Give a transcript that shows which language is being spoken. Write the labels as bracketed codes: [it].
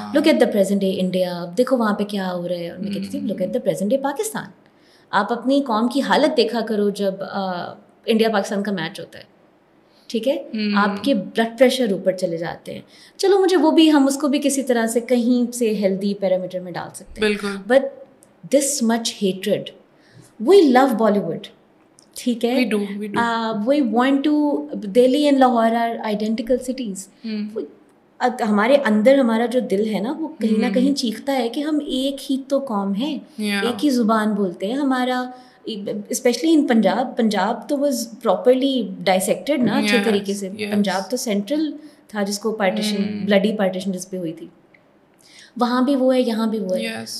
[en] look at the present day India, [hi] देखो वहाँ पे क्या हो रहा है. और मैं कहती थी [en] look at the present day Pakistan, [hi] आप अपनी कौम की हालत देखा करो जब इंडिया पाकिस्तान का मैच होता है, ठीक है. आपके ब्लड प्रेशर ऊपर चले जाते हैं. चलो मुझे वो भी, हम उसको भी किसी तरह से कहीं से हेल्दी पैरामीटर में डाल सकते हैं, but [en] this much hatred. We love Bollywood, [hi] theek hai, [en] we do. We want to, Delhi and Lahore are identical cities. [hi] हमारे अंदर हमारा जो दिल है ना वो कहीं ना कहीं चीखता है कि हम एक ही तो कौम है, एक ही जुबान बोलते हैं. हमारा especially in पंजाब तो [en] was properly dissected [hi] ना अच्छे तरीके से. पंजाब तो सेंट्रल था जिसको पार्टीशन, ब्लडी पार्टीशन जिसपे हुई थी, वहाँ भी वो है यहाँ भी वो है.